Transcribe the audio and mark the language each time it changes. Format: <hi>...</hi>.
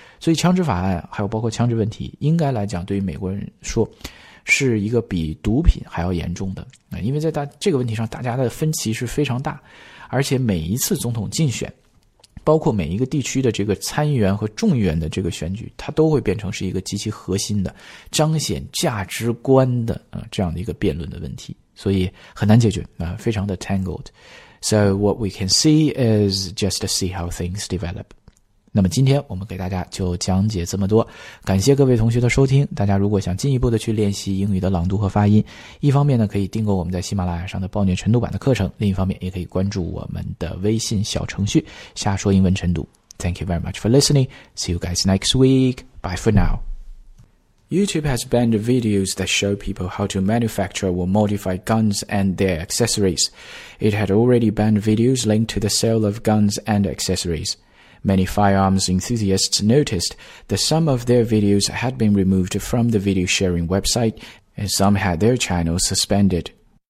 <zh>所以枪支法案还有包括枪支问题应该来讲对于美国人说是一个比毒品还要严重的，因为在这个问题上大家的分歧是非常大，而且每一次总统竞选包括每一个地区的这个参议员和众议员的这个选举，它都会变成是一个极其核心的彰显价值观的这样的一个辩论的问题，所以很难解决非常的 tangled。</zh> <en>So what we can see is just to see how things develop。</en> <zh>那么今天我们给大家就讲解这么多，感谢各位同学的收听。大家如果想进一步的去练习英语的朗读和发音，一方面呢可以订购我们在喜马拉雅上的暴虐晨读版的课程，另一方面也可以关注我们的微信小程序瞎说英文晨读。</zh> <en>Thank you very much for listening. See you guys next week. Bye for now. YouTube has banned videos that show people how to manufacture or modify guns and their accessories. It had already banned videos linked to the sale of guns and accessoriesMany firearms enthusiasts noticed that some of their videos had been removed from the video sharing website and some had their channels suspended.</en>